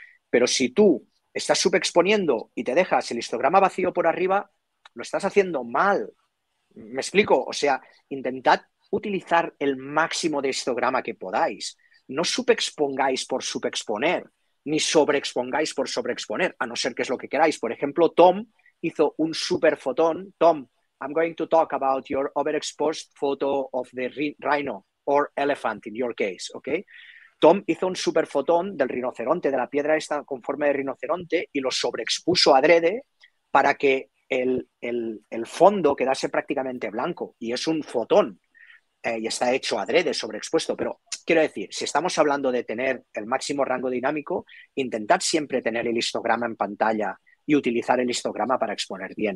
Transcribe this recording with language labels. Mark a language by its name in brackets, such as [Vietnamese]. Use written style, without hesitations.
[Spanish] Pero si tú estás subexponiendo y te dejas el histograma vacío por arriba, lo estás haciendo mal. ¿Me explico? O sea, intentad utilizar el máximo de histograma que podáis. No subexpongáis por subexponer, ni sobreexpongáis por sobreexponer, a no ser que es lo que queráis. Por ejemplo, Tom hizo un super fotón. [English] Tom, I'm going to talk about your overexposed photo of the rhino or elephant in your case, ¿ok? [Spanish] Tom hizo un super fotón del rinoceronte, de la piedra esta con forma de rinoceronte, y lo sobreexpuso adrede para que el fondo quedase prácticamente blanco. Y es un fotón. Y está hecho adrede, sobreexpuesto. Pero quiero decir, si estamos hablando de tener el máximo rango dinámico, intentad siempre tener el histograma en pantalla y utilizar el histograma para exponer bien.